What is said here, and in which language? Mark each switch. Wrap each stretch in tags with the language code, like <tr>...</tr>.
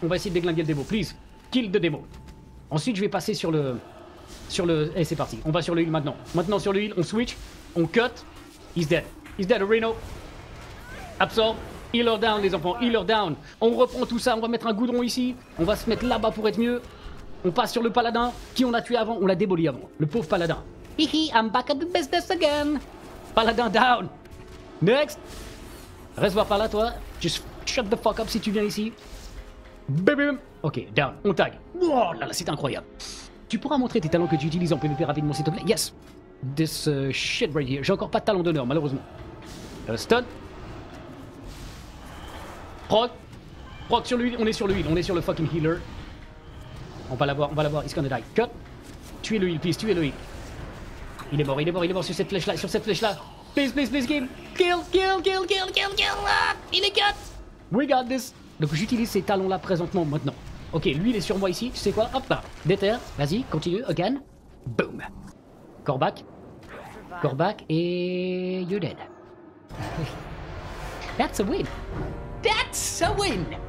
<fr>On va essayer de déglinguer le démo, please.</fr> <en>Kill the démo.</en> <fr>Ensuite, je vais passer sur le... Eh, c'est parti. On va sur le heal maintenant. Maintenant, sur le heal, on switch. On cut.</fr> <en>He's dead. He's dead, Reno.</en> <fr>Absorb.</fr> <en>Healer down,</en> <fr>les enfants. Healer down. On reprend tout ça. On va mettre un goudron ici. On va se mettre là-bas pour être mieux. On passe sur le paladin. Qui on a tué avant? On l'a déboli avant. Le pauvre paladin.</fr> <en>Hihi, I'm back at the business again.</en> <fr>Paladin down. Next. Reste voir par là, toi.</fr> <en>Just shut the fuck up</en> <fr>si tu viens ici.</fr> <en>Bim. Ok, down. On tag.</en> <fr>Oh là là, c'est incroyable. Tu pourras montrer tes talents que tu utilises en PvP rapidement, s'il te plaît? Yes.</fr> <en>This shit right here.</en> <fr>J'ai encore pas de talent d'honneur, malheureusement. Stun. Proc. Proc sur lui. On est sur lui. On est sur le fucking healer. On va l'avoir, on va l'avoir.</fr> <en>He's gonna die.</en> <fr>Cut. Tuez le heal, please. Tuez le heal. Il est mort, il est mort, il est mort sur cette flèche-là, sur cette flèche-là.</fr> <en>Please, please, please, game. Kill, kill, kill, kill, kill, kill.</en> <fr>Ah, il est cut.</fr> <en>We got this.</en> <fr>Donc j'utilise ces talons-là présentement, maintenant. Ok, lui, il est sur moi ici. Tu sais quoi? Hop là. Déterre. Vas-y, continue. Again. Boom. Corbac. Corbac. Et...</fr> <en>You're dead. That's a win. That's a win.</en>